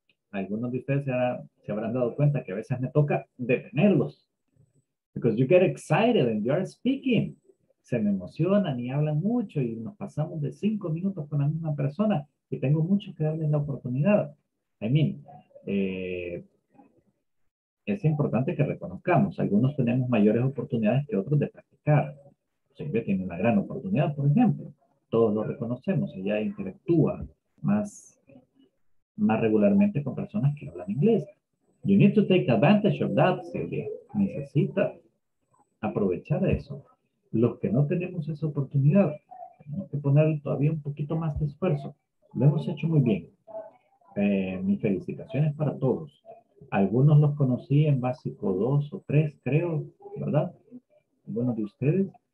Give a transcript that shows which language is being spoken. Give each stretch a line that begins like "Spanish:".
Spanish: Algunos de ustedes se habrán dado cuenta que a veces me toca detenerlos.
English: Because you get excited and you are speaking.
Spanish: Se me emocionan y hablan mucho y nos pasamos de 5 minutos con la misma persona. Y tengo mucho que darles la oportunidad. I mean, es importante que reconozcamos. Algunos tenemos mayores oportunidades que otros de practicar. Siempre tiene una gran oportunidad, por ejemplo. Todos lo reconocemos. Ella interactúa más regularmente con personas que hablan inglés.
English: You need to take advantage of that, Silvia.
Spanish: Necesita aprovechar eso. Los que no tenemos esa oportunidad, tenemos que poner todavía un poquito más de esfuerzo. Lo hemos hecho muy bien. Mis felicitaciones para todos. Algunos los conocí en básico 2 o 3, creo, ¿verdad? Algunos de ustedes.